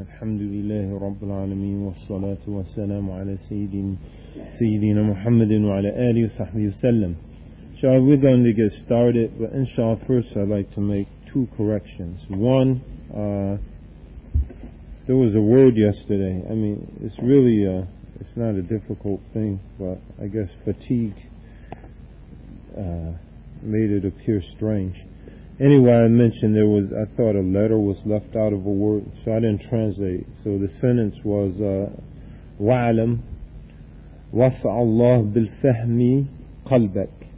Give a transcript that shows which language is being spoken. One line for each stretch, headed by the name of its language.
Arabic: الحمد لله رب العالمين، والصلاة والسلام على سيدنا محمد وعلى آله وصحبه وسلم.
English: Shall we going to get started? But inshallah, first I'd like to make two corrections. One, there was a word yesterday. I mean, it's really it's not a difficult thing, but I guess fatigue made it appear strange. Anyway, I mentioned there was, I thought a letter was left out of a word, so I didn't translate. So the sentence was,
Arabic: وَعَلَمْ وَسْعَ اللَّهُ بِالْفَهْمِ قَلْبَكَ.